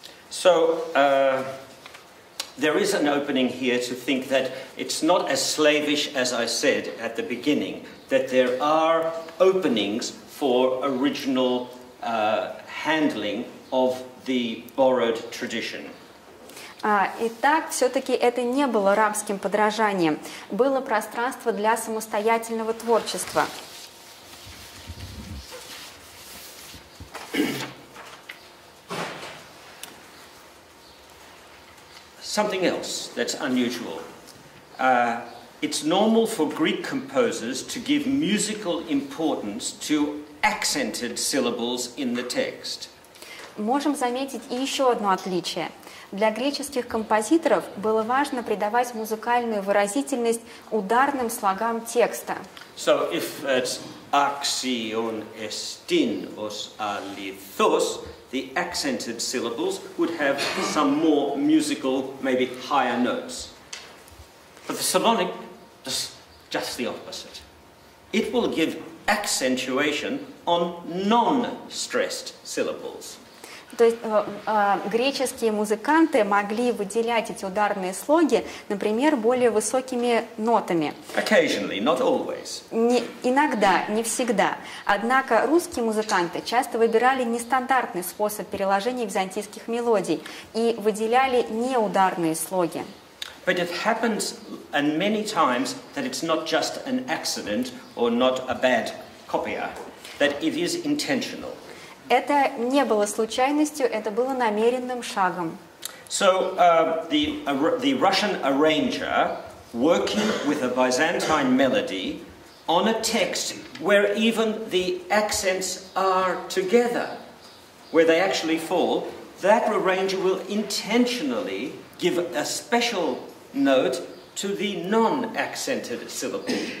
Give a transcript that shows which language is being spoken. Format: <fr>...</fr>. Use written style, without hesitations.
<en>So, there is an opening here to think that it's not as slavish as I said at the beginning, that there are openings for original handling of the borrowed tradition.</en> <ru>Итак, все-таки это не было рабским подражанием. Было пространство для самостоятельного творчества.</ru> <en>Something else that's unusual. It's normal for Greek composers to give musical importance to accented syllables in the text.</en> <ru>Можем заметить и еще одно отличие. Для греческих композиторов было важно придавать музыкальную выразительность ударным слогам текста.</ru> <en>So if it's</en> <el>axion estin os alithos,</el> <en>the accented syllables would have some more musical, maybe higher notes. But the Solonic is just the opposite. It will give accentuation on non-stressed syllables.</en> <ru>То есть греческие музыканты могли выделять эти ударные слоги, например, более высокими нотами.</ru> <en>Occasionally, not always.</en> <ru>Иногда, не всегда. Однако русские музыканты часто выбирали нестандартный способ переложения византийских мелодий и выделяли неударные слоги.</ru> <en>But it happens and many times that it's not just an accident or not a bad copier, that it is intentional.</en> <ru>Это не было случайностью, это было намеренным шагом.</ru> <en>So, the Russian arranger working with a Byzantine melody on a text where even the accents are together, where they actually fall, that arranger will intentionally give a special note to the non-accented syllable.</en>